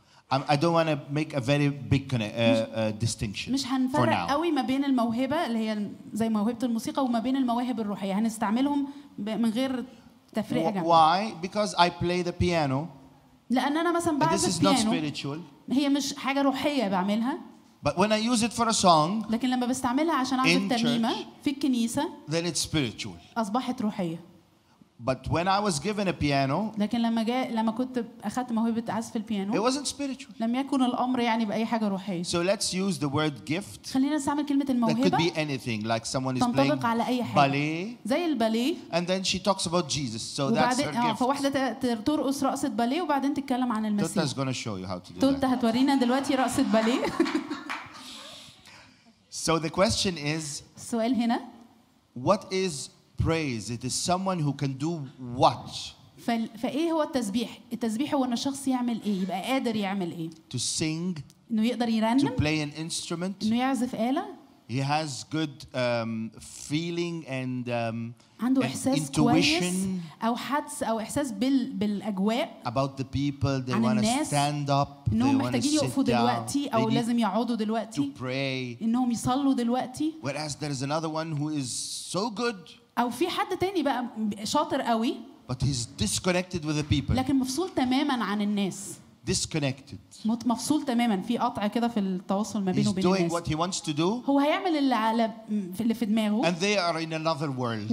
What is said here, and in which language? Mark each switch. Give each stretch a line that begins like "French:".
English: I don't want to make a very big distinction.
Arabic: مش هنفرق قوي ما بين الموهبة اللي هي زي موهبة الموسيقى وما بين المواهب الروحية. هنستعملهم من غير تفرقة.
English: Why? Because I play the piano.
Arabic: لأن أنا مثلاً بعزف البيانو.
English: This is not spiritual.
Arabic: هي مش حاجة روحية بعملها.
English: But when I use it for a song.
Arabic: لكن لما بستعملها عشان أعزف ترنيمة في الكنيسة.
English: Then it's spiritual.
Arabic: أصبحت روحية.
English: But when I was given a piano,
Arabic: لكن لما كنت أخذت موهبة عزف البيانو,
English: it wasn't spiritual.
Arabic: لم يكن الأمر يعني بأي حاجة روحية.
English: So let's use the word gift.
Arabic: خلينا نستعمل كلمة الموهبة.
English: That could be anything, like someone is playing ballet.
Arabic: زي البالي.
English: And then she talks about Jesus. So that's her gift.
Arabic: فواحدة ترقص رقصة بالي وبعدين تتكلم عن المسيح.
English: Tuta is going to show you how to do that.
Arabic: Tuta هتورينا دلوقتي رقصة بالي.
English: So the question is.
Arabic: السؤال هنا.
English: What is praise? It is someone who can do what?
Arabic: فإيه هو التسبيح؟ التسبيح هو أن الشخص يعمل إيه؟ يبقى قادر يعمل إيه؟
English: To sing.
Arabic: إنه يقدر يرنم.
English: To play an instrument.
Arabic: إنه يعزف آلة.
English: He has good feeling and
Arabic: عنده إحساس
English: intuition.
Arabic: كويس أو حدس أو إحساس بالأجواء.
English: About the people, they want to stand up.
Arabic: إنهم محتاجين يقفوا دلوقتي أو لازم يقعدوا دلوقتي.
English: To pray.
Arabic: إنهم يصلوا دلوقتي.
English: Whereas there is another one who is so good.
Arabic: أو في حد تاني بقى شاطر قوي.
English: But he's disconnected with the people.
Arabic: لكن مفصول تماماً عن الناس.
English: Disconnected.
Arabic: مفصول تماماً في قطع كده في التواصل ما بينه وبين الناس.
English: He's doing what he wants to do.
Arabic: هو هيعمل اللي في دماغه.
English: And they are in another world.